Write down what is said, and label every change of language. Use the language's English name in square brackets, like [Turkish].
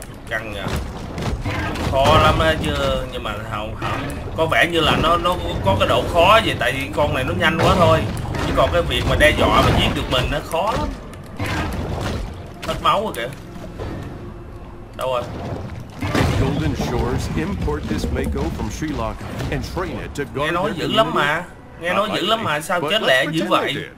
[Vietnamese] Căng nha, khó lắm á chứ, nhưng mà không có vẻ như là nó có cái độ khó vậy, tại vì con này nó nhanh quá thôi, chứ còn cái việc mà đe dọa mà giết được mình nó khó lắm. Hết máu rồi kìa, đâu rồi. [English] Golden Shores import this Mako from Sri Lanka and train it to guard. [Vietnamese] Nghe nói dữ lắm mà, sao chết lẹ dữ vậy.